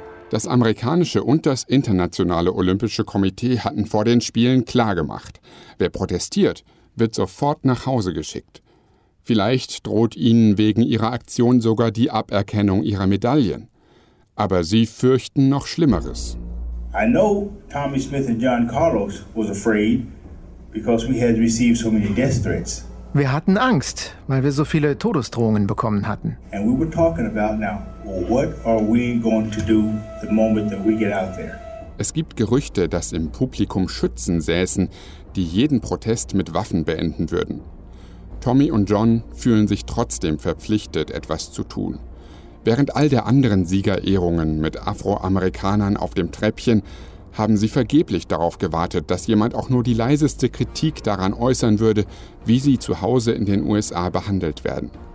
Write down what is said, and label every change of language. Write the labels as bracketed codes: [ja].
[de] Das amerikanische und das internationale Olympische Komitee hatten vor den Spielen klargemacht: Wer protestiert, wird sofort nach Hause geschickt. Vielleicht droht ihnen wegen ihrer Aktion sogar die Aberkennung ihrer Medaillen. Aber sie fürchten noch Schlimmeres. [en] I know Tommy Smith and John Carlos was afraid because we had received so many death threats. [de] Wir hatten Angst, weil wir so viele Todesdrohungen bekommen hatten. [en] And we were talking about now, well, what are we going to do the moment that we get out there? [de] Es gibt Gerüchte, dass im Publikum Schützen säßen, die jeden Protest mit Waffen beenden würden. Tommy und John fühlen sich trotzdem verpflichtet, etwas zu tun. Während all der anderen Siegerehrungen mit Afroamerikanern auf dem Treppchen haben sie vergeblich darauf gewartet, dass jemand auch nur die leiseste Kritik daran äußern würde, wie sie zu Hause in den USA behandelt werden.